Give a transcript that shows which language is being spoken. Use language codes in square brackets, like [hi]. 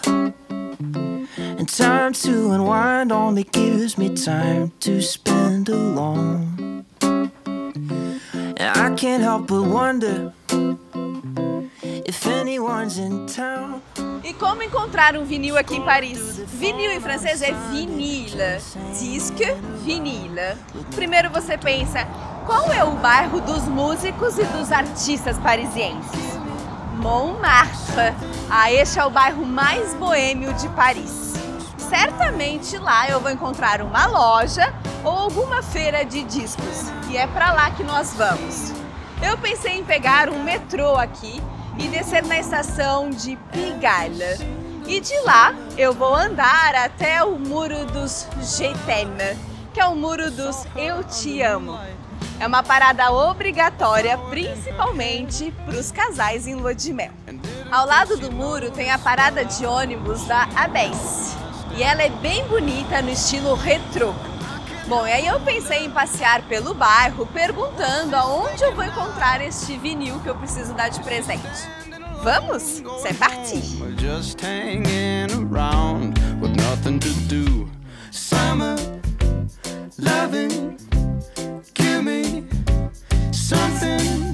[en] And time to unwind only gives me time to spend alone. I can't help but wonder if anyone's in town. [pt] E como encontrar um vinil aqui em Paris? Vinil em francês é vinyle, disque, vinyle. Primeiro você pensa, qual é o bairro dos músicos e dos artistas parisienses? Montmartre. Ah, este é o bairro mais boêmio de Paris. Certamente lá eu vou encontrar uma loja ou alguma feira de discos. E é pra lá que nós vamos. Eu pensei em pegar um metrô aqui e descer na estação de Pigalle. E de lá eu vou andar até o muro dos Je t'aime, que é o muro dos Eu te amo. É uma parada obrigatória, principalmente para os casais em lua de mel. Ao lado do muro tem a parada de ônibus da Abbesse. E ela é bem bonita no estilo retrô. Bom, e aí eu pensei em passear pelo bairro perguntando aonde eu vou encontrar este vinil que eu preciso dar de presente. Vamos? [fr] C'est parti! [en] Just hanging around with nothing to do. Summer, loving, give me something.